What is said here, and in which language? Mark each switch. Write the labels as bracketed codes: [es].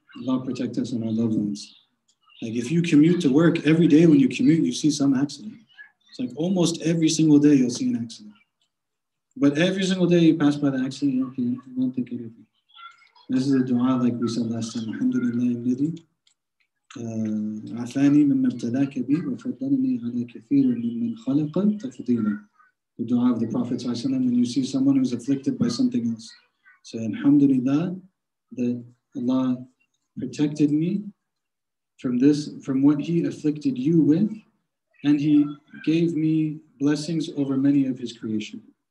[en] Allah protect us and our loved ones. Like, if you commute to work, every day when you commute, you see some accident. It's like almost every single day you'll see an accident. But every single day you pass by the accident, you won't think anything. This is a dua like we said last time. [ar] Alhamdulillah, nidhi. عفاني مما ابتلاك بي وفضلني على كثير ممن خلق تفضيلا. [en] The dua of the Prophet ﷺ, when you see someone who's afflicted by something else, say, Alhamdulillah, that Allah protected me from this, from what He afflicted you with, and He gave me blessings over many of His creation.